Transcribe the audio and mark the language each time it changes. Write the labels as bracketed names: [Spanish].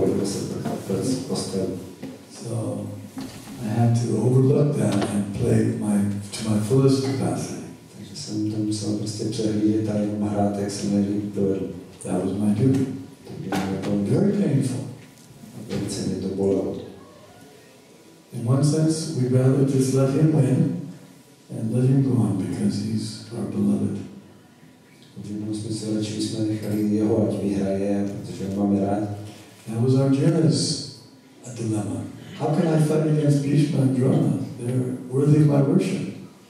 [English] So I had to overlook that and play to my fullest capacity. [Czech] Jsem to musel prostě přehlídit a jenom hrát, jak jsem nejlíp dovedl. [English] That was my duty. Very painful. [Czech] A velice mě to bolelo. [English] In one sense, we'd rather just let him win and let him go on, because he's our beloved. [Czech] V jednom smyslu radši bychom nechali jeho, ať vyhraje, protože ho máme rád. [English] That was Arjuna's dilemma. How can I fight against Bhishma and Drona? They're worthy of my worship.